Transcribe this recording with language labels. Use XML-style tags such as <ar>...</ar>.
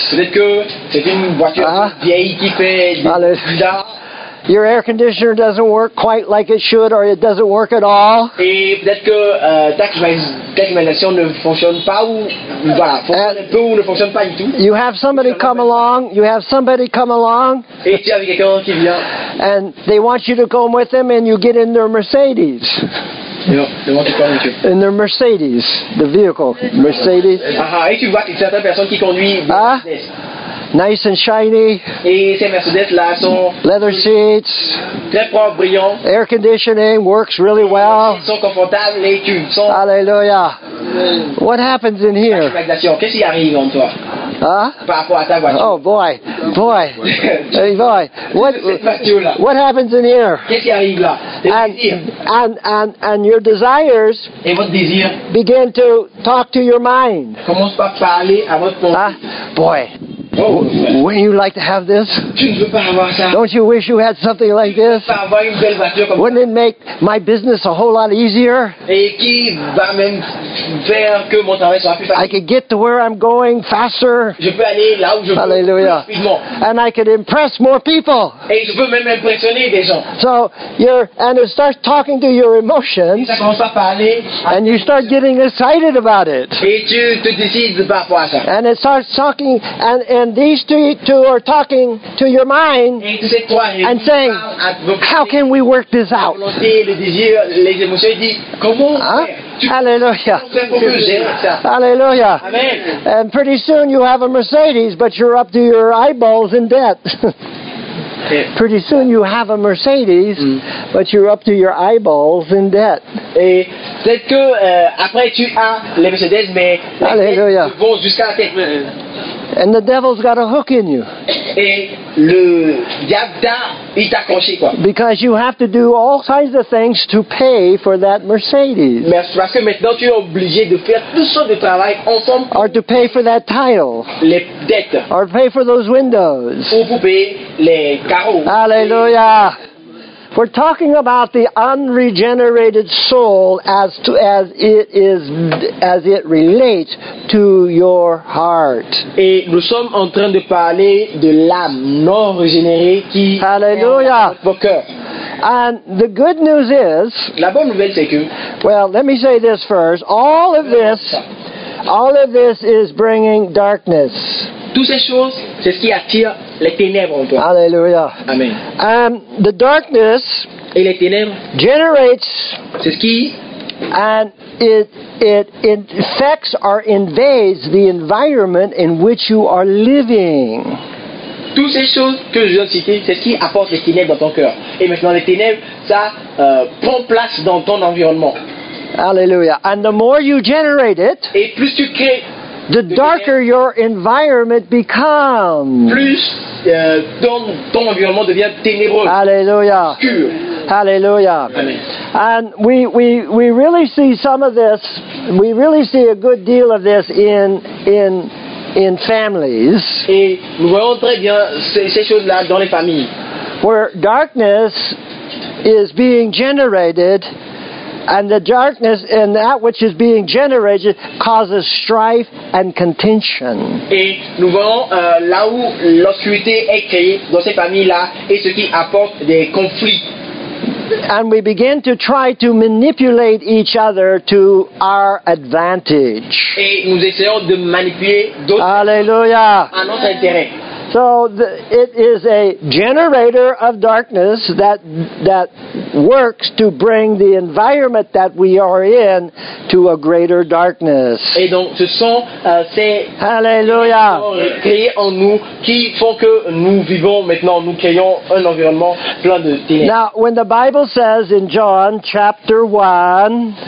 <fr>Peut-être que c'est une voiture vieille qui fait bizarre.</fr> <en>Your air conditioner doesn't work quite like it should, or it doesn't work at all.</en> <fr>Et peut-être que ta climatisation ne fonctionne pas ou voilà, fonctionne un peu ou ne fonctionne pas du tout.</fr> <en>You have somebody come along. You have somebody come along.</en> <fr>Et tu as quelqu'un qui vient.</fr> <en>And they want you to come with them, and you get in their Mercedes. In their Mercedes, the vehicle, Mercedes.</en> <fr>Aha, et tu vois que certaines personnes qui conduisent.</fr> <en>Nice and shiny.</en> <fr>Et ces Mercedes là sont</fr> <en>leather seats.</en> <fr>Très propres, brillants.</fr> <en>Air conditioning works really well.</en> <fr>Ils sont confortables et tu sens.</fr> <en>Hallelujah. What happens in here?</en> <fr>Qu'est-ce qui arrive en toi? Par rapport à ta voiture.</fr> <en>Oh boy. Hey boy. What happens in here?</en> <fr>Qu'est-ce qui arrive là?</fr> <en>And your desires</en> <fr>et votre désir</fr> <en>begin to talk to your mind.</en> <fr>Commence par parler à votre pensée.</fr> <en>Boy. Oh, wouldn't you like to have this?</en> <fr>Tu ne veux pas avoir ça.</fr> <en>Don't you wish you had something like this?</en> <fr>Tu ne veux pas avoir une belle voiture comme</fr> <en>wouldn't</en> <fr>ça.</fr> <en>It make my business a whole lot easier?</en> <fr>Et qui va même faire que mon travail soit plus facile?</fr> <en>I could get to where I'm going faster.</en> <fr>Je peux aller là où je veux.</fr> <en>Hallelujah. And I could impress more people.</en> <fr>Et je peux même impressionner des gens.</fr> <en>So and it starts talking to your emotions.</en> <fr>Et ça commence à parler.</fr> <en>And you start getting excited about it.</en> <fr>Et tu te décides par rapport à ça.</fr> <en>And it starts talking and these two are talking to your mind and saying, how can we work this out? Hallelujah. Hallelujah. And pretty soon you have a Mercedes, but you're up to your eyeballs in debt. Pretty soon you have a Mercedes, but you're up to your eyeballs in debt.</en> <fr>Et peut-être que après tu as les Mercedes, mais les têtes vont jusqu'à la tête.</fr> <en>And the devil's got a hook in you.</en> <fr>Et le diable t'a, il t'a accroché quoi.</fr> <en>Because you have to do all kinds of things to pay for that Mercedes.</en> <fr>Mais parce que maintenant tu es obligé de faire toutes sortes de travail ensemble.</fr> <en>Or to pay for that title.</en> <fr>Les dettes.</fr> <en>Or pay for those windows.</en> <fr>Ou pour payer les carreaux. Alléluia.</fr> <en>We're talking about the unregenerated soul as it relates to your heart.</en> <fr>Et nous sommes en train de parler de l'âme non régénérée qui</fr> <en>Hallelujah.</en> <fr>Est dans votre cœur.</fr> <en>And the good news is</en> <fr>la bonne nouvelle c'est que</fr> <en>well, let me say this first. All of this All of this is bringing darkness.</en> <fr>Toutes ces choses, c'est ce qui attire les ténèbres en toi. Alléluia. Amen.</fr> <en>The darkness</en> <fr>et les ténèbres</fr> <en>generates,</en> <fr>c'est ce qui</fr> <en>and it infects or invades the environment in which you are living.</en> <fr>Toutes ces choses que je viens de citer, c'est ce qui apporte les ténèbres dans ton cœur. Et maintenant, les ténèbres, ça prend place dans ton environnement.</fr> <en>Alléluia. And the more you generate it,</en> <fr>et plus tu crées,</fr> <en>the darker your environment becomes.</en> <fr>Plus ton environnement devient ténébreux. Alléluia. Hallelujah. Amen.</fr> <en>And we really see some of this. We really see a good deal of this in families.</en> <fr>Et nous voyons très bien ces choses-là dans les familles.</fr> <en>Where darkness is being generated, and the darkness in that which is being generated causes strife and contention.</en> <fr>Et nous voyons là où l'obscurité est créée dans ces familles-là et ce qui apporte des conflits.</fr> <en>And we begin to try to manipulate each other to our advantage.</en> <fr>Et nous essayons de manipuler d'autres. Alléluia. À notre intérêt.</fr> <en>So it is a generator of darkness that works to bring the environment that we are in to a greater darkness.</en> <fr>Et donc ce sont ces Alléluia. Créés en nous qui font que nous vivons maintenant, nous créons un environnement plein de ténèbres.</fr> <en>Now, when the Bible says in John chapter 1,</en>